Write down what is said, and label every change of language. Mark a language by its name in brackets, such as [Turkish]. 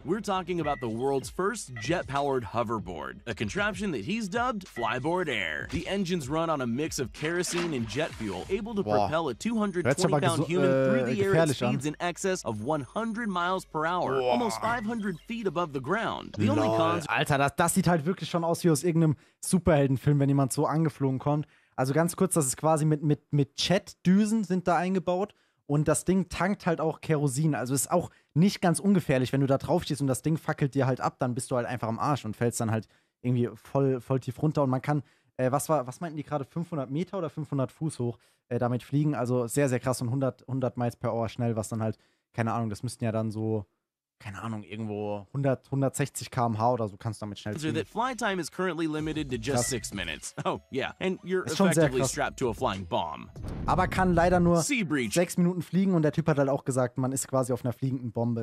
[English] We're talking about the world first jet-powered hoverboard, a contraption that he's dubbed Flyboard Air. The engines run on a mix of kerosene and jet fuel, able to propel a 220-pound human through the air at speeds in excess of 100 miles per hour, almost 500 feet above the ground. The only cons. [German] Alter, das sieht halt wirklich schon aus wie aus irgendeinem Superheldenfilm, wenn jemand so angeflogen kommt. Also ganz kurz, das ist quasi mit Jetdüsen sind da eingebaut. Und das Ding tankt halt auch Kerosin. Also ist auch nicht ganz ungefährlich, wenn du da drauf stehst und das Ding fackelt dir halt ab, dann bist du halt einfach am Arsch und fällst dann halt irgendwie voll tief runter. Und man kann, was meinten die gerade, 500 Meter oder 500 Fuß hoch damit fliegen? Also sehr, sehr krass und 100 Miles per Hour schnell, was dann halt, keine Ahnung, das müssten ja dann so, keine Ahnung, irgendwo 160 km/h oder so kannst du damit schnell fliegen. [English] That fly time is currently limited to just 6 minutes. Oh, yeah. And you're effectively strapped to a flying bomb. [German] Aber kann leider nur 6 Minuten fliegen und der Typ hat halt auch gesagt, man ist quasi auf einer fliegenden Bombe.